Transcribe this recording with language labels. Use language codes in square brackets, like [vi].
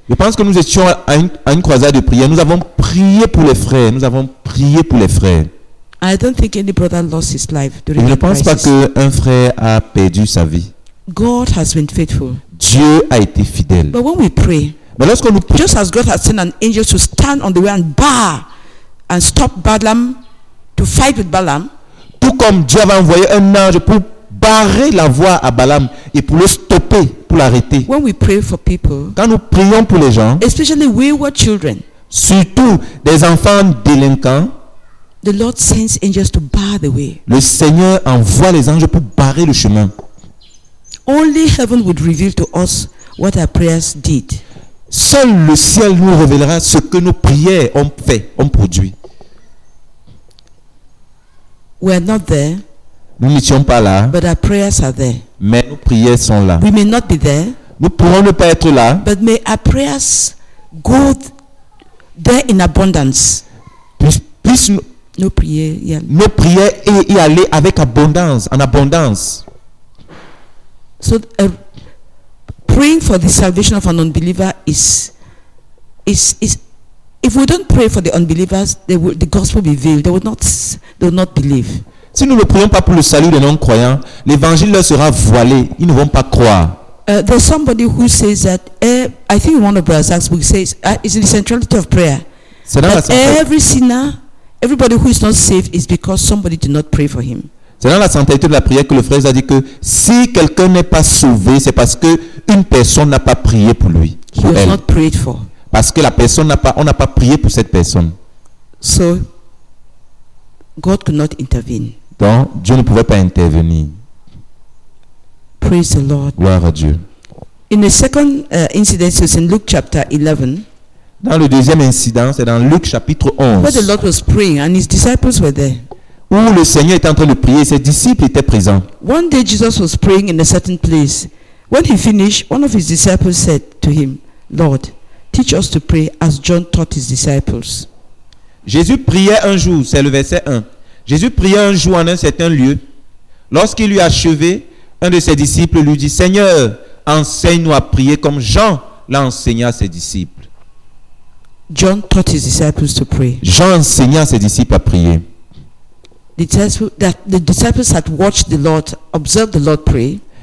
[fr] Je pense que nous étions à une croisade de prière. Nous avons prié pour les frères. Nous avons prié pour les frères. [en] I don't think any brother lost his life during the crisis. [fr] Je ne pense pas qu'un frère a perdu sa vie. [en] God has been faithful. [fr] Dieu a été fidèle. [en] But when we pray, [fr] mais lorsque nous prions, [en] just as God has sent an angel to stand on the way and bar. And stop Balaam to fight with Balaam. [fr] Tout comme Dieu avait envoyé un ange pour barrer la voie à Balaam et pour le stopper, pour l'arrêter. [en] When we pray for people, [fr] quand nous prions pour les gens, [en] especially wayward children, [fr] surtout des enfants délinquants, [en] the Lord sends angels to bar the way. [fr] Le Seigneur envoie les anges pour barrer le chemin. [en] Only heaven would reveal to us what our prayers did. [fr] Seul le ciel nous révélera ce que nos prières ont fait, ont produit. [en] We are not there. [fr] Nous n'étions pas là. [en] But our prayers are there. [fr] Mais nos prières sont là. [en] We may not be there. [fr] Nous pourrons ne pas être là. [en] But may our prayers go there in abundance. [fr] Nos prières y aller avec abondance, en abondance. [en] So. Praying for the salvation of an unbeliever is if we don't pray for the unbelievers, the gospel will be veiled. They will not believe. [fr] Si nous ne prions pas pour le salut des non-croyants, l'évangile leur sera voilé. Ils ne vont pas croire. [en] There's somebody who says that I think one of Brazak's books says is in the centrality of prayer. [fr] C'est dans [en] that every sinner, everybody who is not saved is because somebody did not pray for him. [fr] C'est dans la centralité de la prière que le frère a dit que si quelqu'un n'est pas sauvé, c'est parce que une personne n'a pas prié pour lui. [en] He was not prayed for. [fr] Parce que la personne n'a pas prié pour cette personne. [en] So, God could not intervene. [fr] Donc, Dieu ne pouvait pas intervenir. [en] Praise the Lord. [fr] Gloire à Dieu. [en] In the second incident, it's in Luke chapter 11. [fr] Dans le deuxième incident, c'est dans Luc chapitre 11. [en] Where the Lord was praying and his disciples were there. [fr] Où le Seigneur était en train de prier, ses disciples étaient présents. [en] One day Jesus was praying in a certain place. When he finished, one of his disciples said to him, Lord, teach us to pray as John taught his disciples. [fr] Jésus priait un jour, c'est le verset 1. Jésus priait un jour en un certain lieu. Lorsqu'il eut achevé, un de ses disciples lui dit, « Seigneur, enseigne-nous à prier comme Jean l'a enseigné à ses disciples. » [en] John taught his disciples to pray. [fr] Jean enseigna à ses disciples à prier. [en] The disciples had watched the Lord, observed the Lord pray.